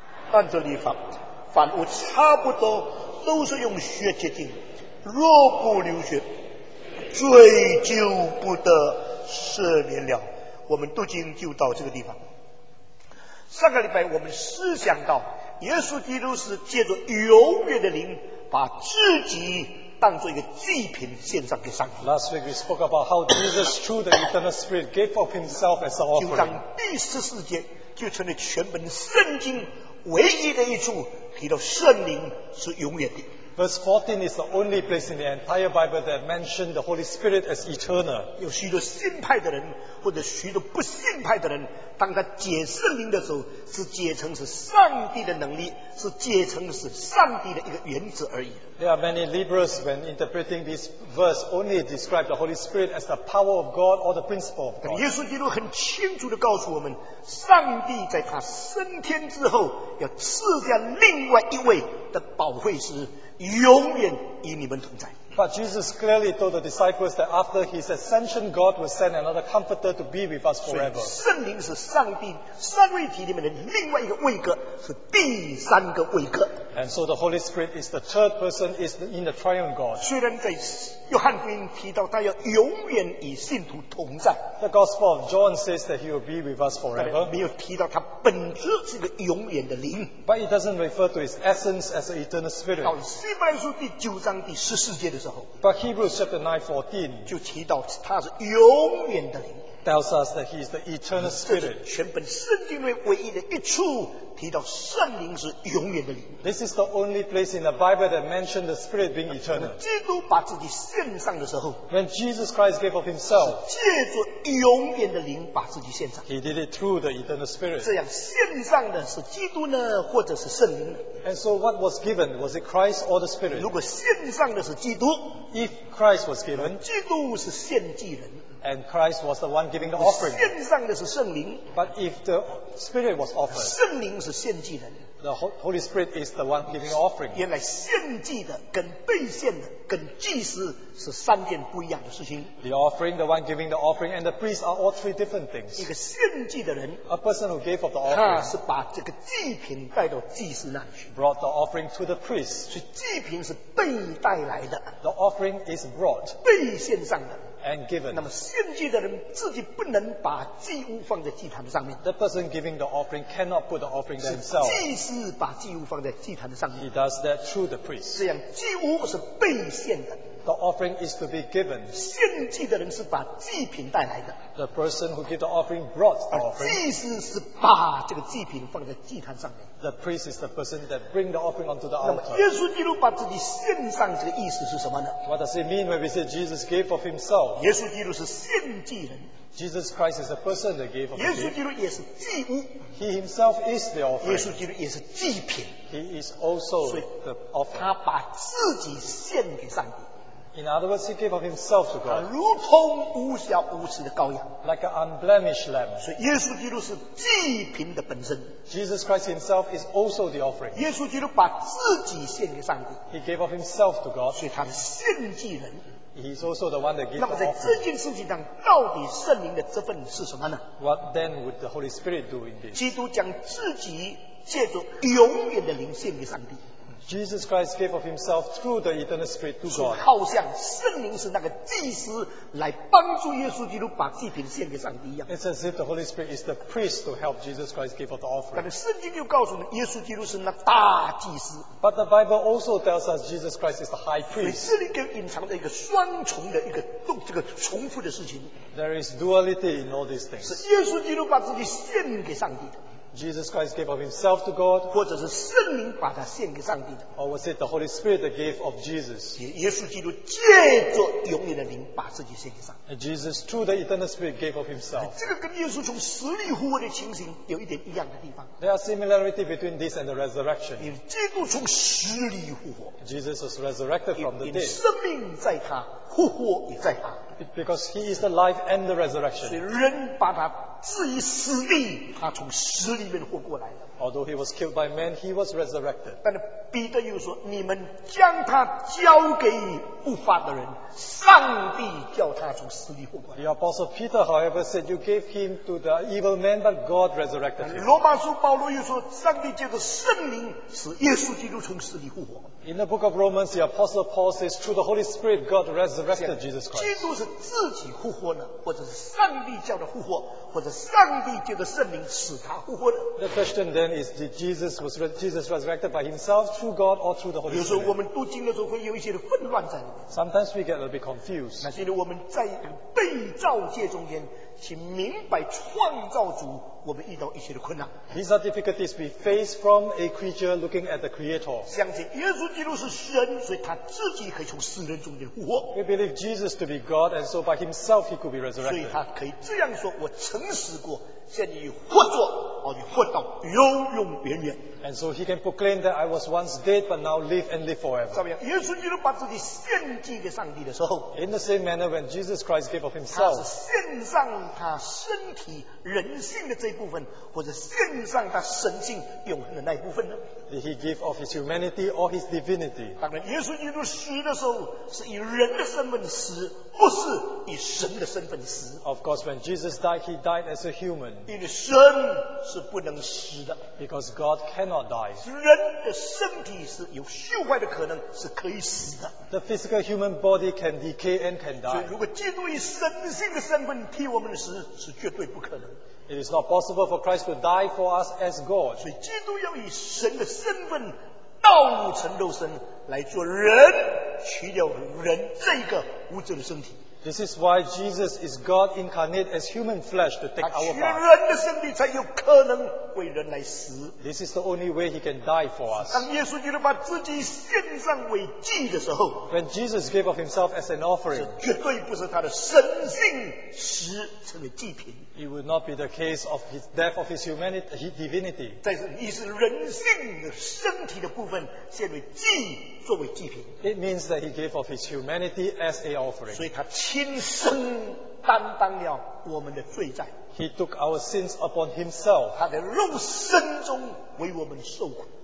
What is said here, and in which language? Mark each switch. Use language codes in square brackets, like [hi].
[zh] 按照律法，凡物差不多都是用血洁净，若不流血，罪就不得赦免了。我们读经就到这个地方。上个礼拜我们思想到，耶稣基督是借着永远的灵，把自己当作一个祭品献上给上帝。 [en] Last week we spoke about how Jesus, through the eternal Spirit, gave up himself as an offering. [zh] 就当第十四节就成了全本圣经唯一的一处提到圣灵是永远的。 [en] Verse 14 is the only place in the entire Bible that mentioned the Holy Spirit as eternal. [zh] 有许多信派的人或者许多不信派的人，当他解圣灵的时候，是解成是上帝的能力，是解成是上帝的一个原则而已。 [en] There are many liberals when interpreting this verse only describe the Holy Spirit as the power of God or the principle of God. [zh] 耶稣基督很清楚地告诉我们，上帝在他升天之后要赐下另外一位的保惠师，永远与你们同在。 [en] But Jesus clearly told the disciples that after his ascension, God will send another comforter to be with us forever. [zh] 所以圣灵是上帝三位体里面的另外一个位格，是第三个位格。 [en] And so the Holy Spirit is the third person, is in the triune God. [zh] 虽然在约翰福音提到他要永远与信徒同在， [en] The Gospel of John says that he will be with us forever. [zh] 没有提到他本质是个永远的灵。 [en] But it doesn't refer to his essence as an eternal spirit. [zh] 到希伯来书第九章第十四节的时候， [en] But Hebrews chapter 9:14 [zh] 就提到他是永远的灵。 [en] Tells us that he is the eternal spirit. [zh] 这是全本圣经内唯一的一处提到圣灵是永远的灵。 [en] This is the only place in the Bible that mentioned the Spirit being eternal. [zh] 基督把自己献上的时候， [en] When Jesus Christ gave of himself, [zh] 借着永远的灵把自己献上。 [en] He did it through the eternal Spirit. [zh] 这样献上的是基督呢，或者是圣灵呢？ [en] And so what was given, was it Christ or the Spirit? [zh] 如果献上的是基督， [en] If Christ was given, [zh] 基督是献祭人。 [en] And Christ was the one giving the offering. [zh] 献上的是圣灵。 [en] But if the Spirit was offered, [zh] 圣灵是献祭人。 [en] The Holy Spirit is the one giving the offering. [zh] 原来献祭的跟被献的跟祭司是三件不一样的事情。 [en] The offering, the one giving the offering, and the priest are all three different things. [zh] 一个献祭的人， [en] a person who gave of the offering, [zh] 他是把这个祭品带到祭司那里去。 [en] Brought the offering to the priest. [zh] 所以祭品是被带来的。 [en] The offering is brought. [zh] 被献上的。 [en] And given. [zh] 那么献祭的人自己不能把祭物放在祭坛上面。 [en] The person giving the offering cannot put the offering themselves. [zh] 是祭司把祭物放在祭坛上面。 [en] He does that through the priest. [zh] 这样祭物是被献的。 [en] The offering is to be given. [zh] 献祭的人是把祭品带来的。 [en] The person who gave the offering brought the offering. [zh] 祭司是把这个祭品放在祭坛上面。 [en] The priest is the person that bring the offering onto the altar. [zh] 那么耶稣基督把自己献上这个意思是什么呢？ [en] What does it mean when we say Jesus gave of himself? [zh] 耶稣基督是献祭人。 [en] Jesus Christ is the person that gave of himself. [zh] 耶稣基督也是祭物。 [en] He himself is the offering. [zh] 耶稣基督也是祭品。 [en] He is also the offering. [zh] 他把自己献给上帝。 [en] In other words, he gave of himself to God. [zh] 如同无瑕无疵的羔羊。 [en] Like an unblemished lamb. [zh] 所以耶稣基督是祭品的本身。 [en] Jesus Christ himself is also the offering. [zh] 耶稣基督把自己献给上帝。 [en] He gave of himself to God. [zh] 所以他是献祭人。 [en] He's also the one that gives. [zh] 那么在这件事情上，到底圣灵的这份是什么呢 [en] ？What then would the Holy Spirit do in this？ [zh] 基督将自己借着永远的灵献给上帝。 [en] Jesus Christ gave of himself through the eternal spirit to God. [zh] 好像圣灵是那个祭司来帮助耶稣基督把祭品献给上帝一样。 [en] It's as if the Holy Spirit is the priest to help Jesus Christ give of the offering. [zh] 但是圣经又告诉我们耶稣基督是那大祭司。 [en] But the Bible also tells us Jesus Christ is the high priest. [zh] 这里更隐藏着一个双重的一个这个重复的事情。 [en] There is duality in all these things. [zh] 是耶稣基督把自己献给上帝的。 [en] Jesus Christ gave of himself to God, [zh] 或者是圣灵把他献给上帝的。 [en] Or was it the Holy Spirit that gave of Jesus? [zh] 耶稣基督借着永远的灵把自己献给上帝。 [en] And Jesus, through the eternal spirit, gave of himself. [zh] 这个跟耶稣从死里复活的情形有一点一样的地方。 [en] There are similarities between this and the resurrection. [zh] 因为基督从死里复活。 [en] Jesus was resurrected from the dead. [zh] 因为生命在他，复活也在他。 [en] Because he is the life and the resurrection. [zh] 所以人把他置于死地，他从死里面活过来的。 [en] Although he was killed by man, he was resurrected. [zh] 但是彼得又说，你们将他交给不法的人，上帝叫他从死里活过来。 [en] The apostle Peter, however, said, "You gave him to the evil man, but God resurrected him." [zh] 罗马书保罗又说，上帝借着圣灵使耶稣基督从死里复活。 [en] In the book of Romans, the apostle Paul says, "Through the Holy Spirit, God resurrected Jesus Christ." [zh] 基督是自己复活呢，或者是上帝叫他复活，或者上帝借着圣灵使他复活呢 [en] ？The question then is that Jesus resurrected by himself through God or through the Holy Spirit. [zh] 有时候我们读经的时候会有一些混乱在里面。 [en] Sometimes we get a bit confused. [zh] 那是因为我们在被造界中间去明白创造主，我们遇到一些的困难。 [en] These are difficulties we face from a creature looking at the Creator. [zh] 相信耶稣基督是神，所以他自己可以从死人中间复活。 [en] We believe Jesus to be God, and so by himself he could be resurrected. [zh] 所以他可以这样说：我曾死过，现已复活，而且活到永永远远。 [en] And so he can proclaim that I was once dead, but now live and live forever. [zh] 怎么样？耶稣基督把自己献祭给上帝的时候 [en] ，In the same manner when Jesus Christ gave of himself， [zh] 他是献上他身体人性的这一部分，或者献上他神性永恒的那一部分呢 [en] ？Did he give of his humanity or his divinity？ [zh] 当然，耶稣基督死的时候是以人的身份死，不是以神的身份死。 [en] Of course, when Jesus died, he died as a human. [zh] 因为神是不能死的 [en] ，because God cannot die. [zh] 人的身体是有朽坏的可能，是可以死的。 [en] The physical human body can decay and can die. [zh] 所以，如果基督以神性的身份替我们死，是绝对不可能。 [en] It is not possible for Christ to die for us as God. [zh] 所以，基督要以神的身份道成肉身来做人，去掉人这个无罪的身体。 [en] This is why Jesus is God incarnate as human flesh to take our part. [zh] 他取人的身体才有可能为人来死。 [en] This is the only way he can die for us. [zh] 当耶稣基督把自己献上为祭的时候 [en] ，When Jesus gave of himself as an offering， [zh] 是绝对不是他的神性死成为祭品。 [en] It would not be the case of his death of his humanity, his divinity. [zh] 但是你是人性的身体的部分献为祭作为祭品。 [en] It means that he gave of his humanity as an offering. [zh] 所以他亲身担当了我们的罪债。 [en] He took our sins upon himself. [zh] 他在肉身中为我们受苦。